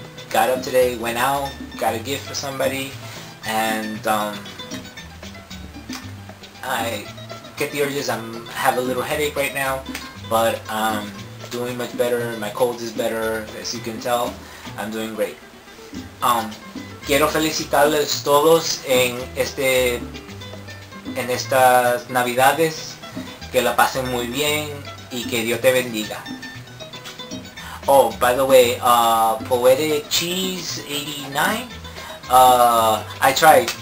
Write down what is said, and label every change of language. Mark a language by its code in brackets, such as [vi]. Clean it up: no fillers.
[en] Got up today, went out, got a gift for somebody, and I get the urges. I have a little headache right now, but I'm doing much better. My cold is better, as you can tell. I'm doing great. [es] Quiero felicitarles todos en estas Navidades. Que la pasen muy bien y que Dios te bendiga. [en] Oh, by the way, Poetic Cheese 89, I tried.